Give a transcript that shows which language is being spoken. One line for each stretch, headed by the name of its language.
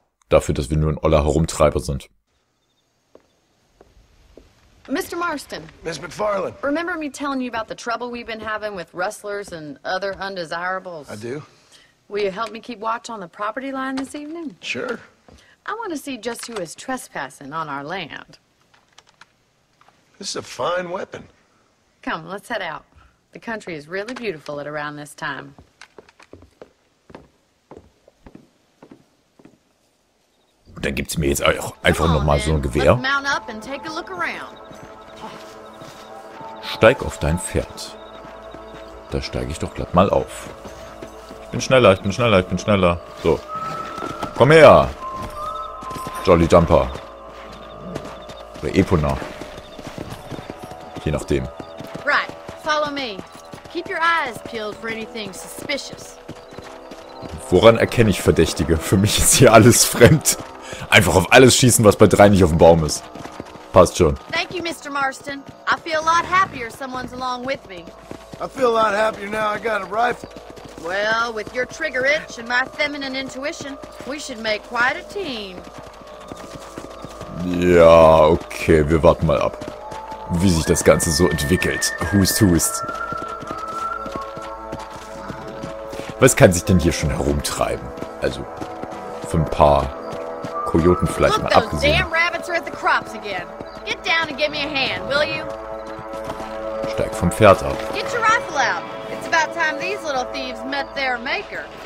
German: Dafür, dass wir nur ein Oller Herumtreiber sind.
English: Mr. Marston. Miss McFarland. Remember me telling you about the trouble we've been having with rustlers and other undesirables? I do. Will you help me keep watch on the property line this evening? Sure. I want to see just who is trespassing on our land. This is a fine weapon. Come, let's head out. The country is really beautiful at around this time.
German: Dann gibt's mir jetzt auch einfach nochmal so ein Gewehr.
English: Mount up and take a look around.
German: Steig auf dein Pferd. Da steige ich doch glatt mal auf. Ich bin schneller. So. Komm her. Jolly Jumper. Oder Epona. Je nachdem.
English: Right. Follow me. Keep your eyes peeled for anything suspicious.
German: Woran erkenne ich Verdächtige? Für mich ist hier alles fremd. Einfach auf alles schießen, was bei drei nicht auf dem Baum ist. Passt schon.
English: Thank you, Mr. Marston. I feel a lot happier someone's along with me. I feel a lot happier now I got a rifle. Well, with your trigger itch and my feminine intuition, we should make quite a team.
German: Ja, okay, wir warten mal ab, wie sich das Ganze so entwickelt. Who's who is? Was kann sich denn hier schon herumtreiben? Also, von ein paar Kojoten vielleicht mal abgesehen.
English: Damn rabbits are at the crops again. Get down and give me a hand, will you?
German: Steig vom Pferd ab.
English: Get your rifle out. It's about time these little thieves met their maker.